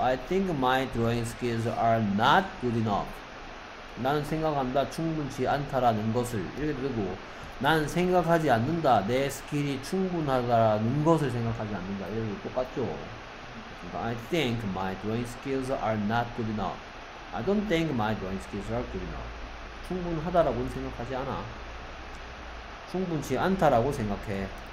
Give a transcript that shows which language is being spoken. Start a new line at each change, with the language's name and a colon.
English: I think my drawing skills are not good enough.
Korean: 나는 생각한다 충분치 않다라는 것을 이렇게 되고 나는 생각하지 않는다 내 스킬이 충분하다라는 것을 생각하지 않는다 이렇게 똑같죠.
English: I think my drawing skills are not good enough. I don't think my drawing skills are good enough.
Korean: 충분하다라고는 생각하지 않아. 충분치 않다라고 생각해.